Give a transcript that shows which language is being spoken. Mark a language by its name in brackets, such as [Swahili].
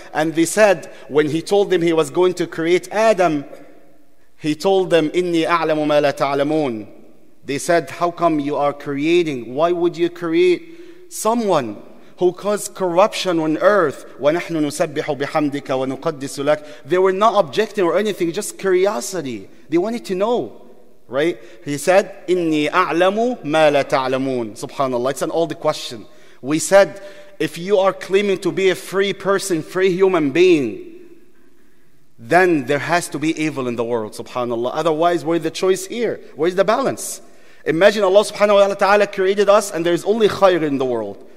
[English] And they said, when he told them he was going to create Adam, he told them, [Arabic] "Inni a'lamu ma la ta'lamun." [English] They said, how come you are creating? Why would you create someone who caused corruption on earth? [Arabic] وَنَحْنُ نُسَبِّحُ بِحَمْدِكَ وَنُقَدِّسُ لَكَ. [English] They were not objecting or anything, just curiosity. They wanted to know, right? He said, [Arabic] إِنِّي أَعْلَمُ مَا لَا تَعْلَمُونَ. [English] SubhanAllah, it's an old question. We said, if you are claiming to be a free person, free human being, then there has to be evil in the world, subhanAllah. Otherwise, where is the choice here? Where is the balance? Imagine Allah subhanahu wa ta'ala created us and there is only khayr in the world.